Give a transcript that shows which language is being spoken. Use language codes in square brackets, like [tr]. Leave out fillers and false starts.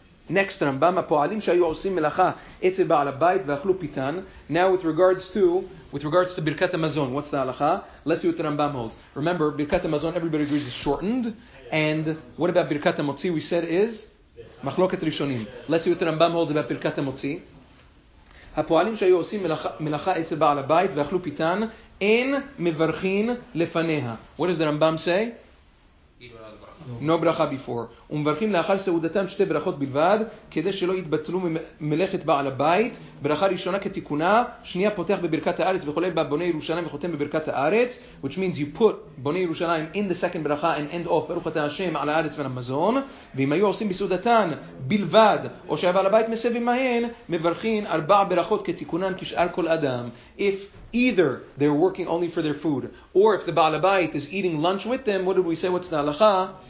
[he] Next Rambam, הפועלים שהיו עושים מלאכה אצל בעל הבית ואכלו פיתן. [en] Now with regards to ברכת המזון, what's the הלכה? Let's see what the Rambam holds. Remember, ברכת המזון, everybody agrees, is shortened. And what about ברכת המוציא? We said is מחלוקת ראשונים. Let's see what the Rambam holds about ברכת המוציא. [he] הפועלים שהיו עושים מלאכה אצל בעל הבית ואכלו פיתן, אין מברכין לפניה. [en] What does the Rambam say? No bracha before. [he] ומברכים לאחר סעודתם שתי ברכות בלבד, כדי שלא יתבטלו ממלאכת בעל הבית. ברכה ראשונה כתיקונה, שנייה פותח בברכת הארץ וכולל בה בוני ירושלים וחותם בברכת הארץ, [en] which means you put בוני ירושלים in the second ברכה and end off [he] ברוך אתה השם על הארץ ועל המזון. ואם היו עושים בסעודתן בלבד, או שבעל הבית מסביב מהן, מברכים ארבע ברכות כתיקונן כשאר כל אדם. [en] If either they're working only for their food, or if the Baal HaBayit is eating lunch with them, what did we say, what's the halakha?